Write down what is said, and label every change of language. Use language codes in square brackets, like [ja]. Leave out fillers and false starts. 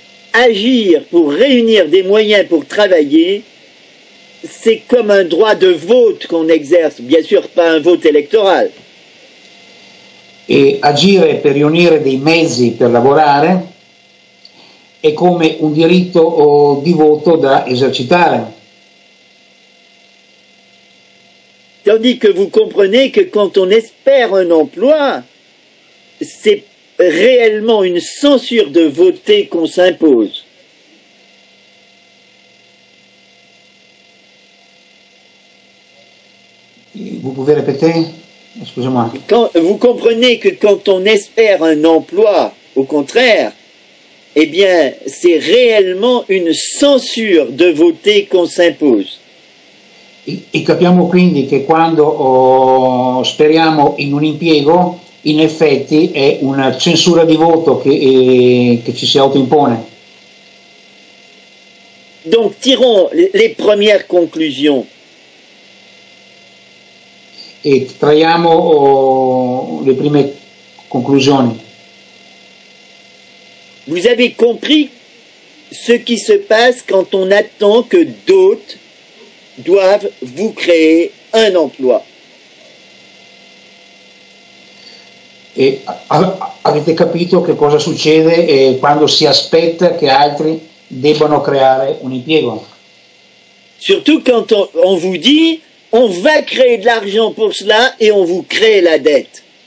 [fr] Agir pour réunir des moyens pour travailler, c'est comme un droit de vote qu'on exerce, bien sûr pas un vote électoral. [it] E agire per riunire dei mezzi per lavorare è come un diritto di voto da esercitare. [fr] Tandis que vous comprenez que quand on espère un emploi, c'est réellement une censure de voter qu'on s'impose. Vous pouvez répéter? Excusez-moi. Vous comprenez que quand on espère un emploi, au contraire, eh bien, c'est réellement une censure de voter qu'on s'impose. [it] E capiamo quindi che quando speriamo in un impiego, in effetti è una censura di voto che ci si autoimpone. [fr] Donc tirons les premières conclusions. [it] E traiamo le prime conclusioni. [fr] Vous avez compris ce qui se passe quand on attend que d'autres doivent vous créer un emploi. [it] Et avete capito che cosa succede quando si aspetta che altri debbano creare un impiego? [fr] Surtout quand on vous dit on va créer de l'argent pour cela et on vous crée la dette.